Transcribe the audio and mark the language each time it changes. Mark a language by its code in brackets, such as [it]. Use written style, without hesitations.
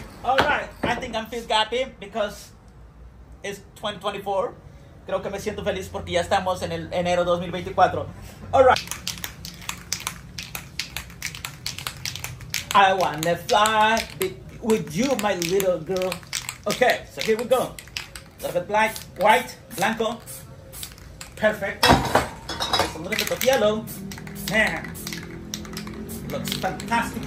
[en] All right, I think I'm feel happy because it's 2024. [es] Creo que me siento feliz porque ya estamos en el enero 2024. [en] All right. I wanna fly with you, my little girl. Okay, so here we go. A little bit black, white, blanco. Perfect. There's a little bit of yellow. Man, looks fantastic.